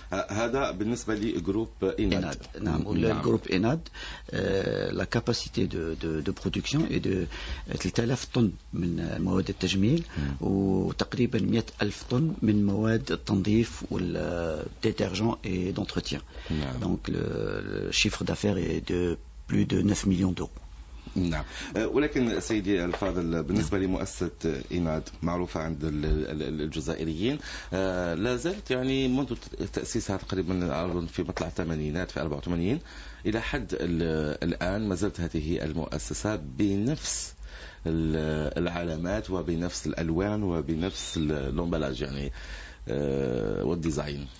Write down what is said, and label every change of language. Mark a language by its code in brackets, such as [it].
[ar] هذا بالنسبة لجروب إناد. نعم والجروب إناد [fr] la capacité de production est de [ar] 3000 طن من مواد التجميل وتقريبا 100,000 طن من مواد التنظيف والديتيرجون [fr] et d'entretien. Donc le chiffre d'affaires est de plus de 9 millions d'euros. [ar] نعم ولكن سيدي الفاضل بالنسبة لمؤسسة إناد معروفة عند الجزائريين لا زالت يعني منذ تأسيسها تقريبا في مطلع الثمانينات في 84 إلى حد الآن ما زالت هذه المؤسسة بنفس العلامات وبنفس الألوان وبنفس الامبلاج يعني والديزاين.